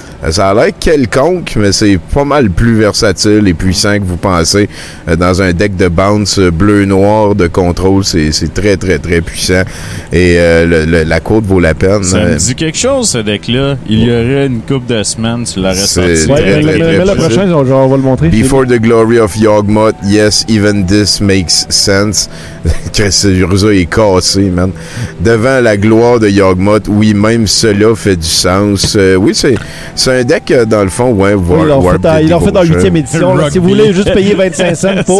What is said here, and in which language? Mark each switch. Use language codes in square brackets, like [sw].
[fr] Ça a l'air quelconque, mais c'est pas mal plus versatile et puissant que vous pensez. Dans un deck de bounce bleu-noir de contrôle, c'est très, très, très puissant. Et la côte vaut la peine. Ça me dit quelque chose, ce deck-là. Il y aurait une couple de semaines, tu l'aurais c'est sorti. Très, ouais, très, mais le prochain, on va le montrer. [en] Before the glory of Yawgmoth, yes, even this makes sense. [fr] Ce jeu est cassé, man. Devant la gloire de Yawgmoth, oui, même cela fait du sens. Oui, c'est un deck, dans le fond, ouais, voire. Oui, ils l'ont fait dans 8e édition. Là, si vous voulez juste payer 25 cents pour